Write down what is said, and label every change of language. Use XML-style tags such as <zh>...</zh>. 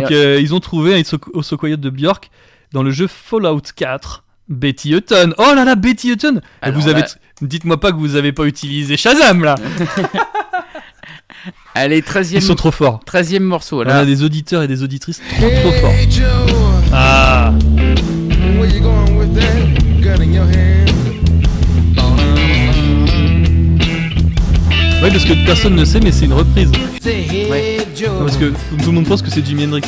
<fr>donc ils ont trouvé un It's So Quiet de Björk dans le jeu Fallout 4, Betty Hutton. Oh là là, Betty Hutton. Et vous avez, dites-moi pas que vous avez pas utilisé Shazam là. Allez, 13e. Ils sont trop forts. 13e morceau là. On a des auditeurs et des auditrices trop forts.</fr> <en>Hey Joe, ah. Where you going with that gun in your hand?</en> <fr>Ouais, parce que personne ne sait, mais c'est une reprise. Ouais. Non, parce que tout le monde pense que c'est Jimi Hendrix.</fr>